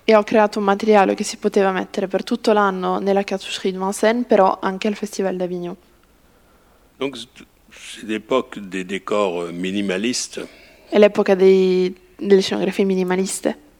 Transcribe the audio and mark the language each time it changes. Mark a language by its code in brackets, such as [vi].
[it] E ho creato un materiale che si poteva mettere per tutto l'anno nella cartoucherie de Vincennes, però anche al Festival d'Avignon. [fr] Donc c'est l'époque des décors minimalistes. [it] È l'epoca delle scenografie minimaliste.